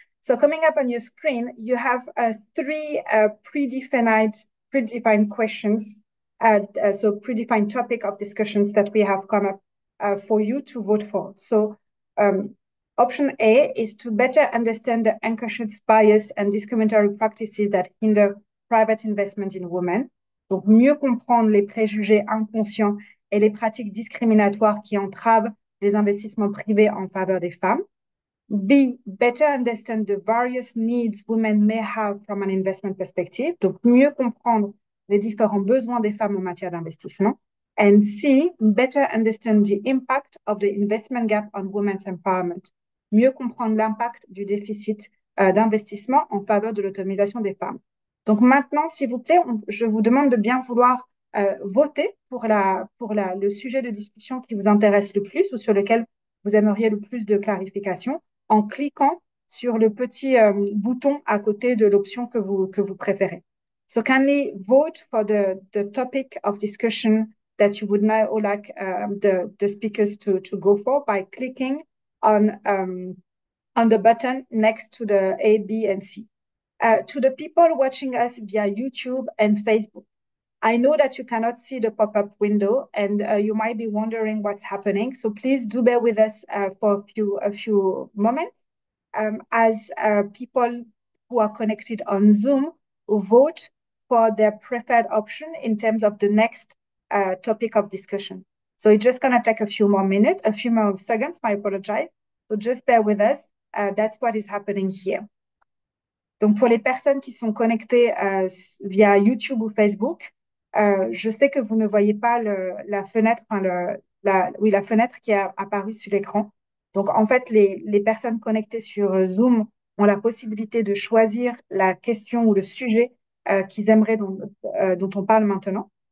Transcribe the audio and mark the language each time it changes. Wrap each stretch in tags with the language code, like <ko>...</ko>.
<en>So coming up on your screen, you have three predefined questions, so predefined topic of discussions that we have come up for you to vote for. So. Option A is to better understand the unconscious bias and discriminatory practices that hinder private investment in women.</en> <fr>Donc, mieux comprendre les préjugés inconscients et les pratiques discriminatoires qui entravent les investissements privés en faveur des femmes.</fr> <en>B, better understand the various needs women may have from an investment perspective.</en> <fr>Donc, mieux comprendre les différents besoins des femmes en matière d'investissement.</fr> <en>And C, better understand the impact of the investment gap on women's empowerment.</en> <fr>Mieux comprendre l'impact du déficit d'investissement en faveur de l'autonomisation des femmes. Donc maintenant, s'il vous plaît, je vous demande de bien vouloir voter pour le sujet de discussion qui vous intéresse le plus ou sur lequel vous aimeriez le plus de clarification en cliquant sur le petit bouton à côté de l'option que vous préférez.</fr> <en>So kindly vote for the topic of discussion that you would now like the speakers to go for by clicking on the button next to the A, B, and C. To the people watching us via YouTube and Facebook, I know that you cannot see the pop-up window and you might be wondering what's happening. So please do bear with us for a few moments as people who are connected on Zoom vote for their preferred option in terms of the next topic of discussion. So it's just going to take a few more seconds, I apologize. So just bear with us That's what is happening here.</en> <fr>Donc, pour les personnes qui sont connectées via YouTube ou Facebook, je sais que vous ne voyez pas la fenêtre, enfin, la fenêtre qui a apparu sur l'écran. Donc, en fait, les personnes connectées sur Zoom ont la possibilité de choisir la question ou le sujet qu'ils aimeraient, dont on parle maintenant.</fr>